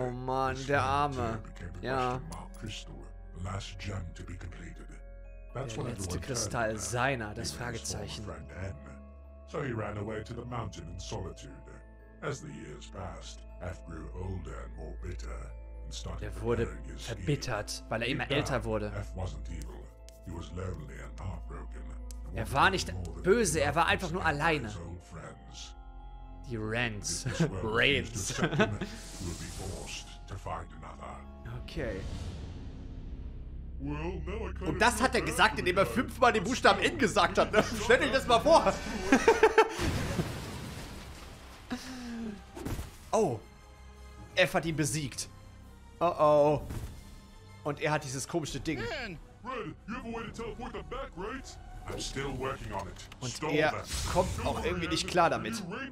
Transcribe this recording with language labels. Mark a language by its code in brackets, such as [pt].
[de] Oh man, der Arme. Ja. [en] Crystal, the last gem to be completed. That's [de] der letzte Kristall seiner, das Fragezeichen. [en] So he ran away to the mountain in solitude. As the years passed, F grew older and more bitter and started [de] er wurde verbittert, weil er immer älter wurde. [en] F wasn't evil. He was lonely and heartbroken. [de] Er war nicht böse, er war einfach nur alleine. [en] Friends. [de] Die Rants. Rants. [en] We'll be forced to find another. Okay. Well, no, [de] und das hat er gesagt, indem er fünfmal den Buchstaben N gesagt hat. Stell dir das mal vor. Oh, F hat ihn besiegt. Oh oh. Und er hat dieses komische Ding. [en] Red, you have a way to teleport them back, right? I'm still working on it. [de] Und er kommt auch irgendwie nicht klar damit.